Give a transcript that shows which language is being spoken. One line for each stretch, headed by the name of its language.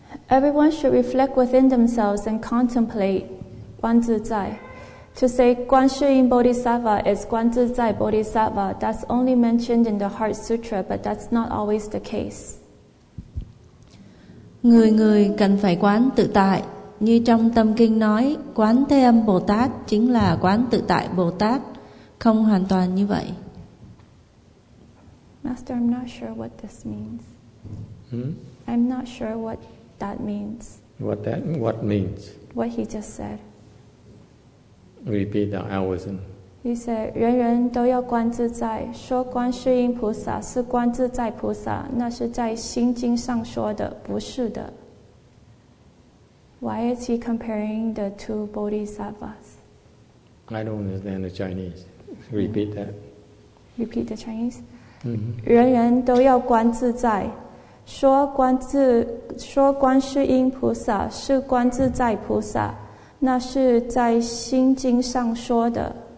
English: Everyone should reflect within themselves and contemplate Guan Zi Zai. To say Guan Shi Yin Bodhisattva is Guan Zi Zai Bodhisattva, that's only mentioned in the Heart Sutra, but that's not always the case.
Vietnamese: Người người cần phải quán tự tại. Như trong tâm kinh nói, quán Thế Âm Bồ Tát chính là quán tự tại Bồ Tát, không hoàn toàn như vậy.
English: Master, I'm not sure what this means. I'm not sure what that means. What means? What he just said. Repeat that, I wasn't. He said,
Chinese: 人人都要观自在, 说观世音菩萨, 是观自在菩萨, 那是在心经上说的, 不是的。
English: Why is he comparing the two bodhisattvas? I don't understand the Chinese. Repeat that. Repeat the Chinese?
Chinese: 人人都要观自在, 说观世音菩萨, 是观自在菩萨, 那是在心经上说的。